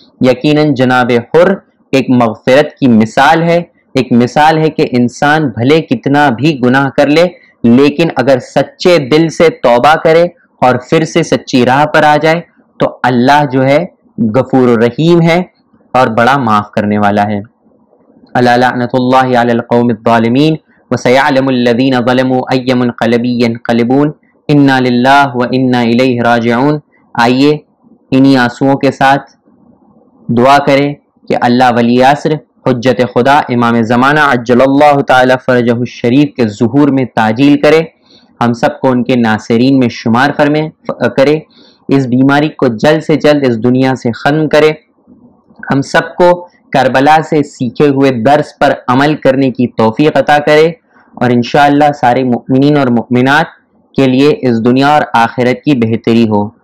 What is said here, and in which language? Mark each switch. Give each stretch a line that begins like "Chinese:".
Hindi: यकीनन जनाब हुर एक मग़फ़िरत की मिसाल है, एक मिसाल है कि इंसान भले कितना भी गुनाह कर ले, लेकिन अगर सच्चे दिल से तौबा करे और फिर से सच्ची राह पर आ जाए तो अल्लाह जो है गफूर रहीम है और बड़ा माफ़ करने वाला है।
Arabic: ألا لعنة الله على القوم الظالمين وسيعلم الذين ظلموا أي منقلب ينقلبون إنا لله وإنا إليه راجعون।
Hindi: आइए इन्हीं आंसुओं के साथ दुआ करें कि अल्लाह वली आसर हुज्जत खुदा इमाम ज़माना अज्जल अल्लाह ताला फरजहु शरीफ के ज़ुहूर में ताजील करे, हम सब को उनके नासिरीन में शुमार करे, इस बीमारी को जल्द से जल्द इस दुनिया से ख़त्म करे, हम सब को करबला से सीखे हुए दर्स पर अमल करने की तौफीक अता करे और इंशाअल्लाह सारे मुमिनीन और मुमिनात के लिए इस दुनिया और आखिरत की बेहतरी हो।